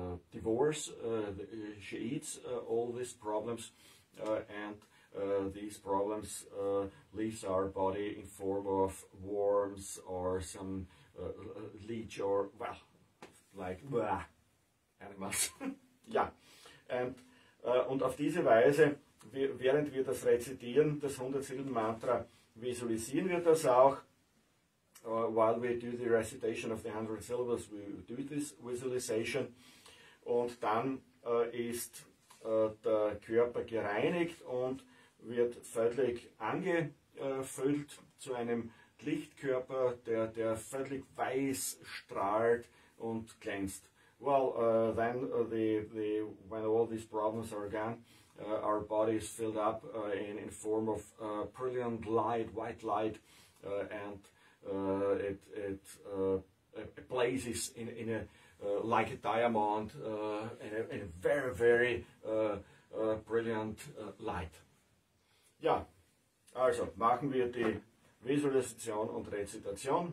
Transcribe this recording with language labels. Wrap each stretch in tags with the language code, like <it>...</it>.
<en>divorce, she eats all these problems, and these problems leaves our body in form of worms or some leech or, well, like animals. Yeah, and</en> <de>Und auf diese Weise, während wir das rezitieren, das 100-Silben-Mantra, visualisieren wir das auch.</de> <en>While we do the recitation of the 100 syllables, we do this visualization.</en> <de>Und dann ist der Körper gereinigt und wird völlig angefüllt zu einem Lichtkörper, der völlig weiß strahlt und glänzt.</de> <en>Well, then when all these problems are gone, our body is filled up in form of brilliant light, white light, and it blazes in a like a diamond, in a very very brilliant light.</en> <de>Ja, also machen wir die Visualisation und Rezitation.</de>